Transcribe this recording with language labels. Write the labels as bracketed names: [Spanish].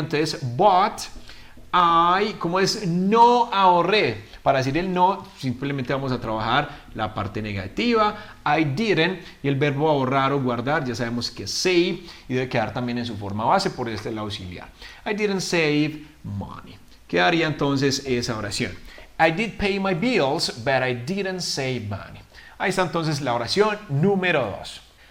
[Spanish] Entonces, [English] but I, [Spanish] ¿cómo es? No ahorré. Para decir el no, simplemente vamos a trabajar la parte negativa. [English] I didn't. [Spanish] Y el verbo ahorrar o guardar, ya sabemos que es save. Y debe quedar también en su forma base, por este el auxiliar. [English] I didn't save money. [Spanish] Quedaría entonces esa oración. [English] I did pay my bills, but I didn't save money. [Spanish] Ahí está entonces la oración número 2.